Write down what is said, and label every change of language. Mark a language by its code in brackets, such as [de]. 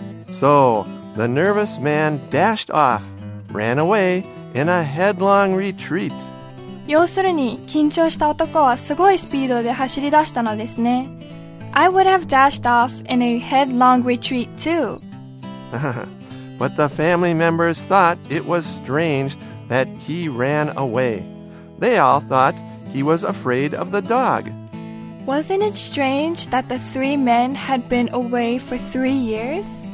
[en] So, the nervous man dashed off, ran away in a headlong retreat. [ja] 要するに、緊張した男はすごいスピードで走り出したのですね。 [en] I would have dashed off in a headlong retreat too. But the family members thought it was strange that he ran away. They all thought he was afraid of the dog. Wasn't it strange that the three men had been away for 3 years?